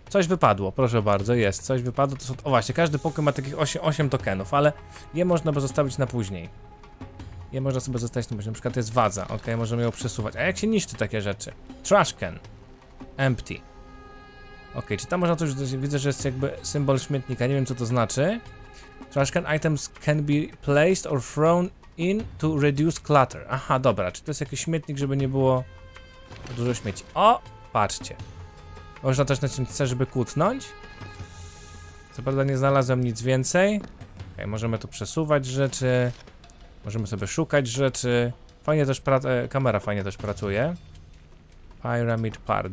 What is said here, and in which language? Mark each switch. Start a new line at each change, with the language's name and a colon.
Polish: Coś wypadło, proszę bardzo, jest, coś wypadło, to są, o właśnie, każdy pokój ma takich 8 tokenów, ale je można by zostawić na później. Je można sobie zostawić na później, na przykład jest wadza, ok, możemy ją przesuwać, a jak się niszczy takie rzeczy?
English: Trash can. Empty.
Polish: Ok, czy tam można coś, widzę, że jest jakby symbol śmietnika, nie wiem co to znaczy.
English: Trash can items can be placed or thrown in to reduce clutter.
Polish: Aha, dobra, czy to jest jakiś śmietnik, żeby nie było dużo śmieci. O, patrzcie. Można też naciąć C, żeby kłótnąć. Co prawda nie znalazłem nic więcej. Okej, możemy tu przesuwać rzeczy. Możemy sobie szukać rzeczy. Fajnie też kamera fajnie też pracuje. Pyramid Park.